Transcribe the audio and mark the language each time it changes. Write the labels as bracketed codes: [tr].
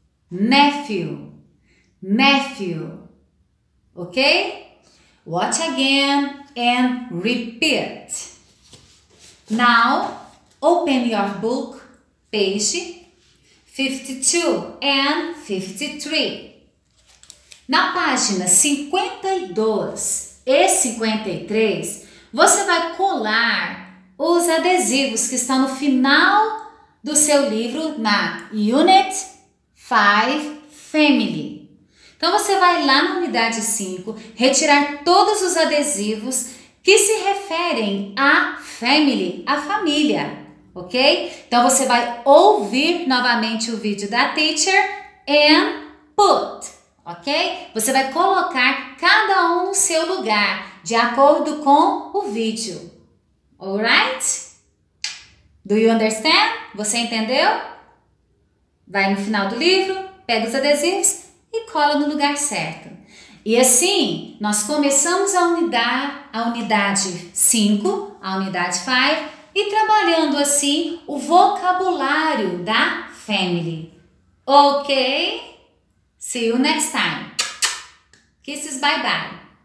[en] Nephew, nephew. Okay? Watch again and repeat. Now, open your book, page 52 and 53. [pt] Na página 52 e 53, você vai colar os adesivos que estão no final do seu livro, na Unit 5 Family. Então, você vai lá na unidade 5, retirar todos os adesivos que se referem à family, à família, ok? Então, você vai ouvir novamente o vídeo da teacher [en] and put, [pt] ok? Você vai colocar cada um no seu lugar, de acordo com o vídeo. [en] All right? Do you understand? [pt] Você entendeu? Vai no final do livro, pega os adesivos e cola no lugar certo. E assim, nós começamos a unidade 5, a unidade 5, e trabalhando assim o vocabulário da family. [en] Ok? See you next time. Kisses, bye bye.